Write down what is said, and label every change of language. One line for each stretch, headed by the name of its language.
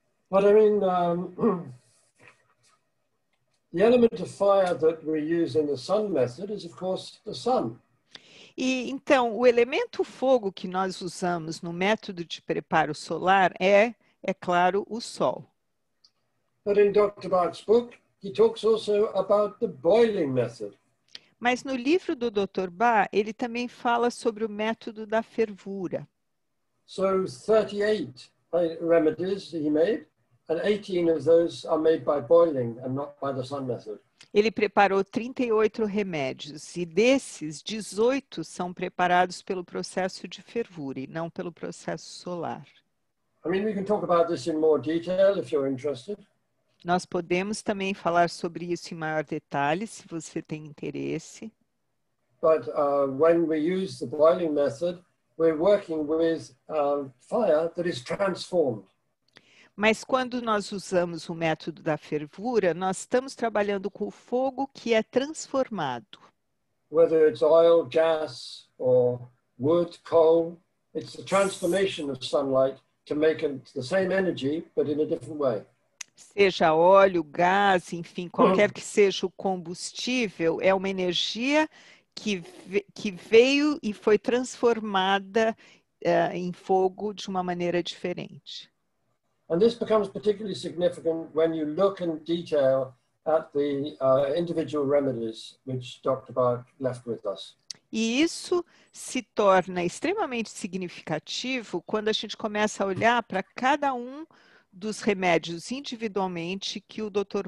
English: But I mean, the element of fire that we use in the sun method is, of course, the sun.
Portuguese: E então, o elemento fogo que nós usamos no método de preparo solar é claro, o sol.
English: But in Dr. Bach's book, he talks also about the boiling method.
Portuguese: Mas no livro do Dr. Bach, ele também fala sobre o método da fervura.
English: So 38 remedies he made, and 18 of those are made by boiling and not by the sun method.
Portuguese: Ele preparou 38 remédios, e desses, 18 são preparados pelo processo de fervura e não pelo processo solar.
English: I mean, we can talk about this in more detail if you're interested.
Portuguese: Nós podemos também falar sobre isso em maior detalhe, se você tem interesse.
English: But when we use the boiling method, we're working with fire that is transformed.
Portuguese: Mas quando nós usamos o método da fervura, nós estamos trabalhando com o fogo que é transformado.
English: Whether it's oil, gas, or wood, coal, it's the transformation of sunlight to make the same energy, but in a different way.
Portuguese: Seja óleo, gás, enfim, qualquer que seja o combustível, é uma energia que veio e foi transformada em fogo de uma maneira diferente.
English: And this becomes particularly significant when you look in detail at the individual remedies which Dr. Bach left with us.
Portuguese: E isso se torna extremamente significativo quando a gente começa a olhar para cada um dos remédios individualmente que o Dr.